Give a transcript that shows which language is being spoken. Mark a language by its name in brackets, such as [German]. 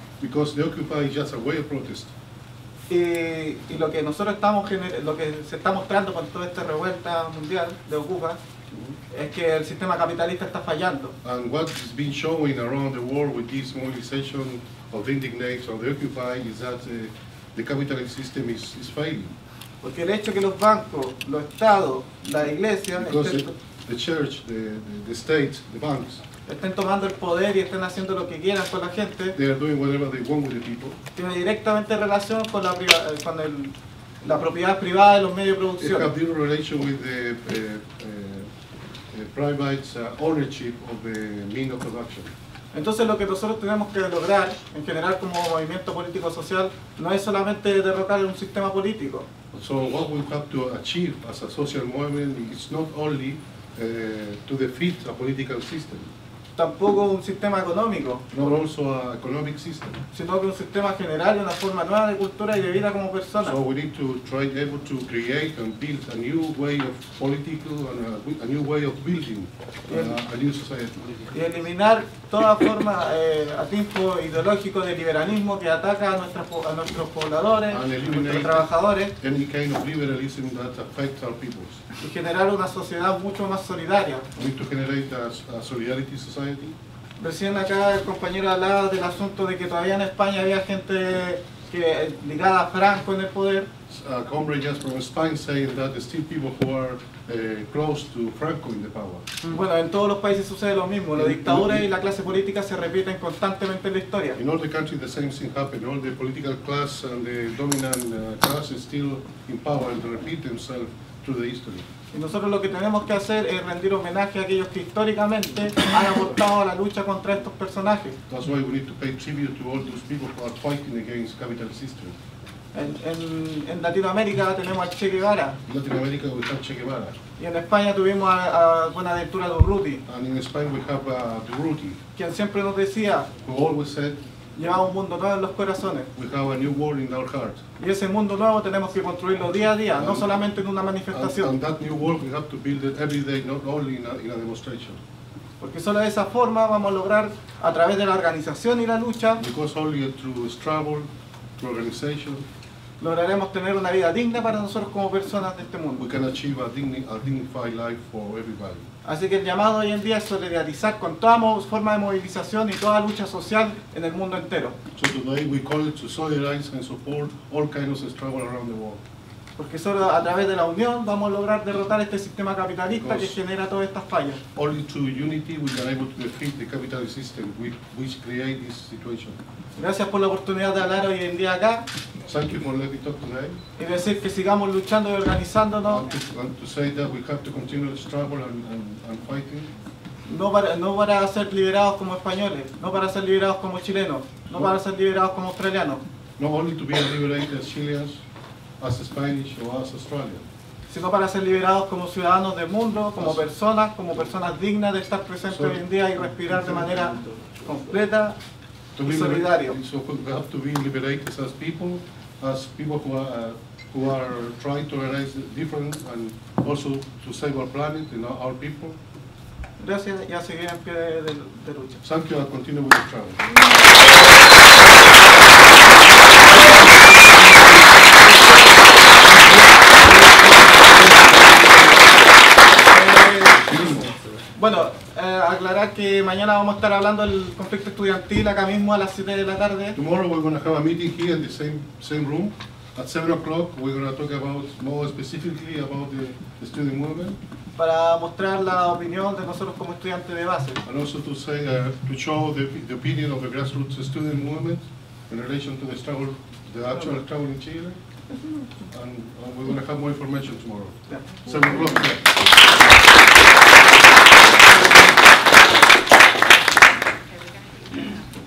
[English] Because the occupy is just a way of protest. [Spanish] Y lo que nosotros estamos lo que se está mostrando con toda esta revuelta mundial de ocupa es que el sistema capitalista está fallando. [English] And what is being shown around the world with this mobilization of the indignation of the occupy is that the capitalist system is failing. [Spanish] Porque el hecho que los bancos, los estados, la iglesia, [English] the church, the state, the banks. [Spanish] Estén tomando el poder y estén haciendo lo que quieran con la gente. [English] They are doing whatever they want with the people. [Spanish] Tiene directamente relación con la propiedad privada de los medios de producción. [English] It has direct relation with the private ownership of the means of production. [Spanish] Entonces lo que nosotros tenemos que lograr en general como movimiento político social no es solamente derrocar un sistema político. [English] So what we have to achieve as a social movement is not only to defeat a political system. [Spanish] Tampoco un sistema económico. [English] Not also an economic system. [Spanish] Sino que un sistema general y una forma nueva de cultura y de vida como persona. [English] So we need to try able to create and build a new way of political and a new way of building a new society. [Spanish] Y eliminar toda forma a tipo ideológico de liberalismo que ataca a nuestros pobladores, a nuestros trabajadores. [English] Any kind of liberalism that affects our peoples. [Spanish] Y generar una sociedad mucho más solidaria. [English] We need to generate a solidarity society. [Spanish] Recién acá el compañero hablaba del asunto de que todavía en España había gente que ligada a Franco en el poder. [English] A comrade just from Spain saying that there's still people who are close to Franco in the power. [Spanish] Bueno, en todos los países sucede lo mismo. La dictadura y la clase política se repiten constantemente en la historia. [English] In all the countries the same thing happened. All the political class and the dominant class is still in power and repeat themselves through the history. [Spanish] Y nosotros lo que tenemos que hacer es rendir homenaje a aquellos que históricamente han aportado a la lucha contra estos personajes. [English] That's why we need to pay tribute to all those people who are fighting against the capitalist system. [Spanish] En Latinoamérica tenemos a Che Guevara. [English] In Latinoamérica we have Che Guevara. [Spanish] Y en España tuvimos a Buenaventura Durruti. [English] And in Spain we have Durruti. [Spanish] Quien siempre nos decía, [English] who always said, [Spanish] llevamos un mundo nuevo en los corazones. [English] We have a new world in our hearts. [Spanish] Y ese mundo nuevo tenemos que construirlo día a día, no solamente en una manifestación. [English] And that new world we have to build it every day, not only in a demonstration. [Spanish] Porque solo de esa forma vamos a lograr, a través de la organización y la lucha, [English] because only through struggle, through organization, [Spanish] lograremos tener una vida digna para nosotros como personas de este mundo. [English] We can achieve a dignified life for everybody. [Spanish] Así que el llamado hoy en día es solidarizar con toda forma de movilización y toda lucha social en el mundo entero. [English] So today we call it to solidarize and support all kinds of struggle around the world. [Spanish] Porque solo a través de la unión vamos a lograr derrotar este sistema capitalista que genera todas estas fallas. [English] Only through unity we are able to defeat the capitalist system which creates this situation. [Spanish] Gracias por la oportunidad de hablar hoy en día acá. [English] Thank you for letting me talk today. [Spanish] Y decir que sigamos luchando y organizándonos. [English] And to say that we have to continue the struggle and fighting. [Spanish] No para ser liberados como españoles, no para ser liberados como chilenos, no para ser liberados como australianos. [English] Not only to be liberated as Chileans, as Spanish or as Australian. [Spanish] Sino para ser liberados como ciudadanos del mundo, como personas, dignas de estar presentes hoy en día y respirar de manera completa. [English] To be we have to be liberated as people who are trying to realize the difference and also to save our planet and our people. [Spanish] Gracias, y a seguir en pie de lucha. [English] Thank you, and continue with the travel. [Spanish] Bueno, aclarar que mañana vamos a estar hablando del conflicto estudiantil acá mismo a las 7 de la tarde. [English] Tomorrow we're going to have a meeting here in the same room. At 7 o'clock we're going to talk about more specifically about the student movement. [Spanish] Para mostrar la opinión de nosotros como estudiantes de base. [English] And also to say, to show the opinion of the grassroots student movement in relation to the struggle, the actual struggle in Chile. And we're going to have more information tomorrow. Yeah. 7 o'clock. Yeah. Thank you.